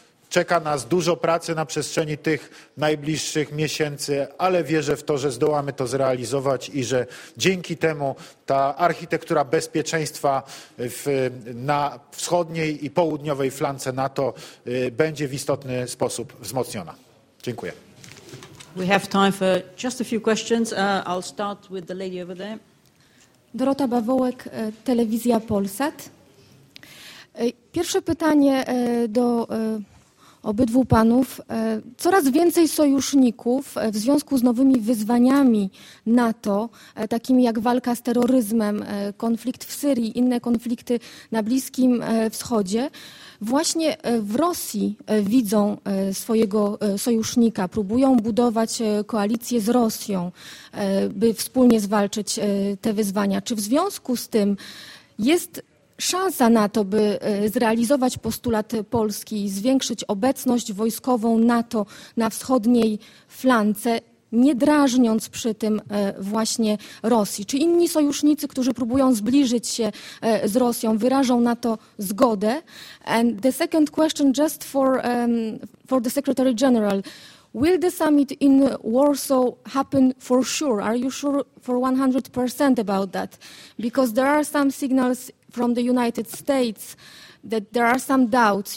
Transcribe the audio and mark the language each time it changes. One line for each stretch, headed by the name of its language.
Polish: Czeka nas dużo pracy na przestrzeni tych najbliższych miesięcy, ale wierzę w to, że zdołamy to zrealizować i że dzięki temu ta architektura bezpieczeństwa na wschodniej i południowej flance NATO będzie w istotny sposób wzmocniona. Dziękuję.
English: We have time for just a few questions. I'll start with the lady over there.
Polish: Dorota Bawołek, Telewizja Polsat. Pierwsze pytanie do obydwu panów. Coraz więcej sojuszników w związku z nowymi wyzwaniami NATO, takimi jak walka z terroryzmem, konflikt w Syrii, inne konflikty na Bliskim Wschodzie, właśnie w Rosji widzą swojego sojusznika, próbują budować koalicję z Rosją, by wspólnie zwalczyć te wyzwania. Czy w związku z tym jest szansa na to, by zrealizować postulat Polski i zwiększyć obecność wojskową NATO na wschodniej flance, nie drażniąc przy tym właśnie Rosji? Czy inni sojusznicy, którzy próbują zbliżyć się z Rosją, wyrażą na to zgodę?
English: And the second question, just for the Secretary General. Will the summit in Warsaw happen for sure? Are you sure for 100% about that? Because there are some signals from the United States that there are some doubts.